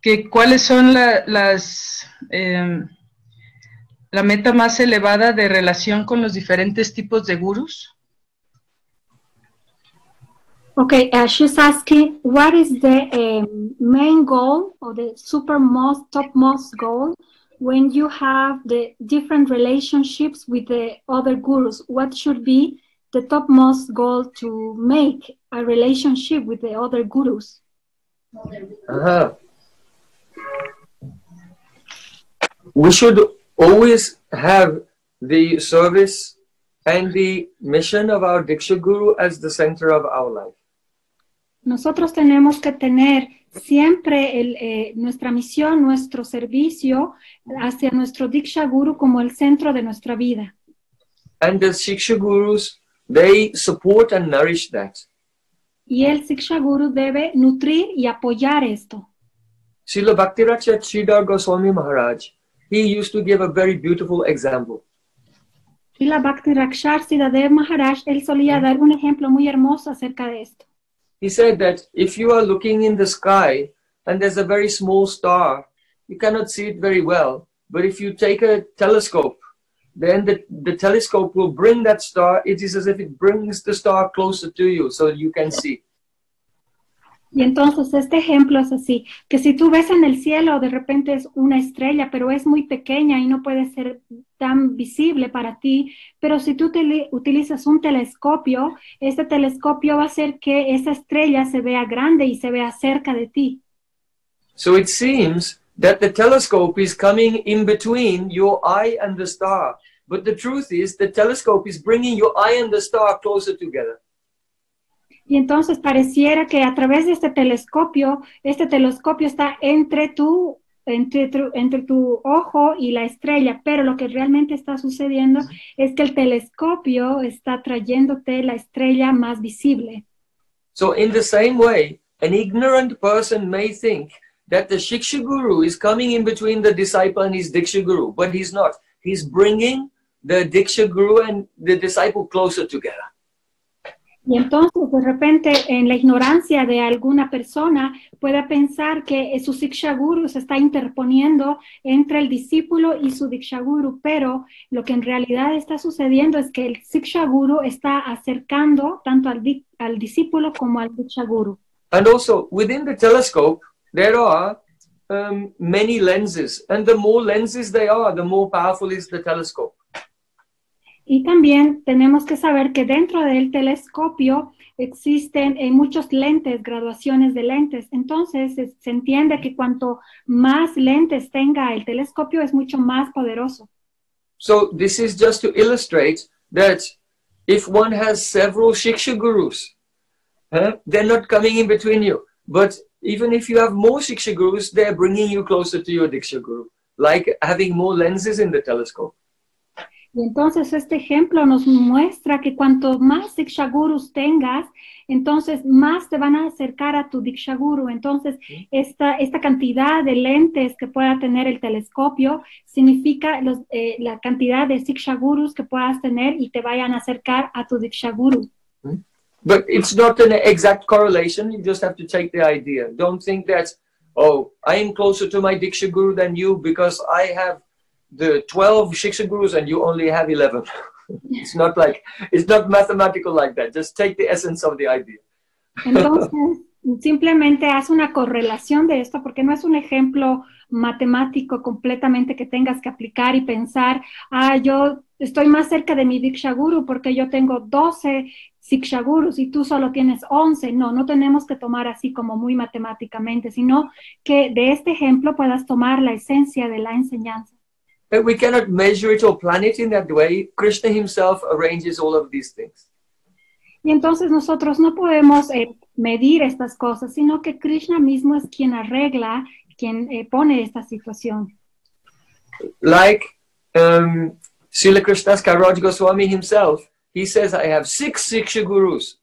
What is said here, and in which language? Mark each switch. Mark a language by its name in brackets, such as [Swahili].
[Spanish] ¿Cuáles son la meta más elevada de relación con los diferentes tipos de gurús? [English] Okay, she's asking, what is the main goal or the supermost, topmost goal when you have the different relationships with the other gurus? What should be the topmost goal to make a relationship with the other gurus? We should always have the service and the mission of our Diksha Guru as the center of our life. [Spanish] Nosotros tenemos que tener siempre nuestra misión, nuestro servicio hacia nuestro Diksha Guru como el centro de nuestra vida. [English] And the Siksha Gurus, they support and nourish that. [Spanish] Y el Siksha Guru debe nutrir y apoyar esto. [English] Srila Bhaktiracharya Sridhar Goswami Maharaj, he used to give a very beautiful example. [Spanish] Srila Bhaktiracharya Sridhar Maharaj, él solía dar un ejemplo muy hermoso acerca de esto. [English] He said that if you are looking in the sky and there's a very small star, you cannot see it very well. But if you take a telescope, then the telescope will bring that star. It is as if it brings the star closer to you so you can see. [Spanish] Y entonces este ejemplo es así, que si tú ves en el cielo de repente es una estrella, pero es muy pequeña y no puede ser tan visible para ti, pero si tú utilizas un telescopio, este telescopio va a hacer que esa estrella se vea grande y se vea cerca de ti. [English] So it seems that the telescope is coming in between your eye and the star, but the truth is the telescope is bringing your eye and the star closer together. [Spanish] Y entonces pareciera que a través de este telescopio está entre tu ojo y la estrella, pero lo que realmente está sucediendo es que el telescopio está trayéndote la estrella más visible. [English] So in the same way, an ignorant person may think that the Shiksha Guru is coming in between the disciple and his Diksha Guru, but he's not. He's bringing the Diksha Guru and the disciple closer together. [Spanish] Y entonces, de repente, en la ignorancia de alguna persona, pueda pensar que su Diksha Guru se está interponiendo entre el discípulo y su Diksha Guru, pero lo que en realidad está sucediendo es que el Diksha Guru está acercando tanto al discípulo como al Diksha Guru. [English] And also, within the telescope, there are many lenses, and the more lenses they are, the more powerful is the telescope. [Spanish] Y también tenemos que saber que dentro del telescopio existen muchos lentes, graduaciones de lentes. Entonces, se entiende que cuanto más lentes tenga el telescopio, es mucho más poderoso. [English] So, this is just to illustrate that if one has several Shiksha Gurus, they're not coming in between you. But even if you have more Shiksha Gurus, they're bringing you closer to your Diksha Guru. Like having more lenses in the telescope. [Spanish] Y entonces este ejemplo nos muestra que cuanto más Diksha Gurus tengas, entonces más te van a acercar a tu Diksha Guru. Entonces esta cantidad de lentes que pueda tener el telescopio significa la cantidad de Diksha Gurus que puedas tener y te vayan a acercar a tu Diksha Guru. [English] But it's not an exact correlation, you just have to take the idea. Don't think that, I am closer to my Diksha Guru than you because I have the 12 Shiksha Gurus and you only have 11. It's not mathematical like that. Just take the essence of the idea. [Spanish] Entonces, simplemente haz una correlación de esto porque no es un ejemplo matemático completamente que tengas que aplicar y pensar, yo estoy más cerca de mi Diksha Guru porque yo tengo 12 Shiksha Gurus y tú solo tienes 11. No tenemos que tomar así como muy matemáticamente, sino que de este ejemplo puedas tomar la esencia de la enseñanza. [English] We cannot measure it or plan it in that way. Krishna himself arranges all of these things. [Spanish] Y entonces nosotros no podemos medir estas cosas, sino que Krishna mismo es quien arregla, quien pone esta situación. [English] Like Srila Krishna Kairaj Goswami himself, he says, I have 6 Shiksha Gurus.